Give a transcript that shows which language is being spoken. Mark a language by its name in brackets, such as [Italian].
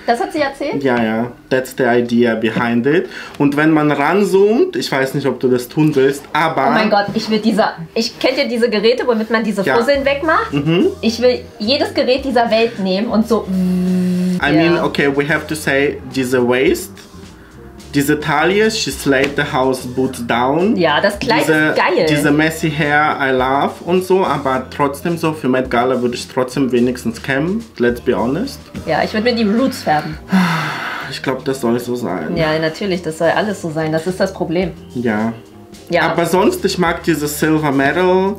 [German] Das hat sie erzählt? [English] Ja, ja. That's the idea behind it. [German] Und wenn man ranzoomt, ich weiß nicht, ob du das tun willst, aber... Oh mein Gott, ich will diese... Ich kenne ja diese Geräte, womit man diese Fusseln ja. wegmacht. Mhm. Ich will jedes Gerät dieser Welt nehmen und so... [English] I mean, okay, we have to say, diese Waist... [German] Diese Taille, [English] she slayed the house boots down. [German] Ja, das Kleid ist geil. Diese messy hair, [English] I love [German] und so, aber trotzdem so, für Met Gala würde ich trotzdem wenigstens campen, [English] let's be honest. [German] Ja, ich würde mir die Roots färben. Ich glaube, das soll so sein. Ja, natürlich, das soll alles so sein, das ist das Problem. Ja. Ja. Aber sonst, ich mag dieses Silver Metal.